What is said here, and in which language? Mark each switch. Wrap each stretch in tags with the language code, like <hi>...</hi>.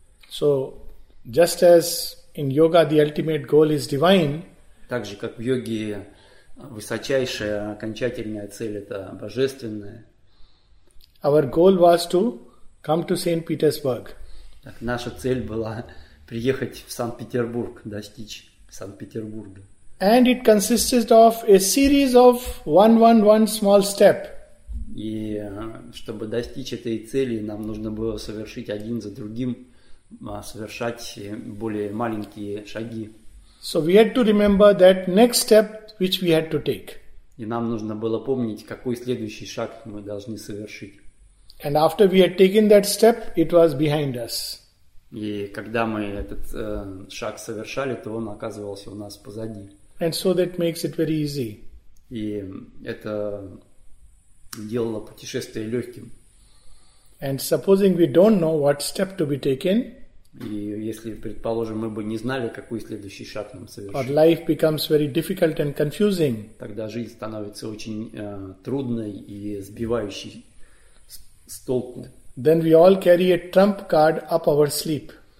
<en>So, just as in yoga the ultimate goal is divine.</en> <ru>Так же, как в йоге высочайшая окончательная цель это божественная.</ru> <en>Our goal was to come to Saint Petersburg.</en> <ru>Так, наша цель была приехать в Санкт-Петербург, достичь Санкт-Петербурга.</ru> <en>And it consisted of a series of one small step.</en> <ru>И чтобы достичь этой цели, нам нужно было совершить один за другим, совершать более маленькие шаги.</ru> <en>So we had to remember that next step which we had to take.</en> <ru>И нам нужно было помнить, какой следующий шаг мы должны совершить.</ru> <en>And after we had taken that step, it was behind us.</en> <ru>И когда мы этот шаг совершали, то он оказывался у нас позади.</ru> <en>And so that makes it very easy.</en> <ru>И это делало путешествие легким.</ru> <en>And supposing we don't know what step to be taken,</en> <ru>и если, предположим, мы бы не знали, какой следующий шаг нам совершить,</ru> <en>or life becomes very difficult and confusing,</en> <ru>тогда жизнь становится очень трудной и сбивающей с толку.</ru> <en>Then we all carry a trump card up our sleeve.</en>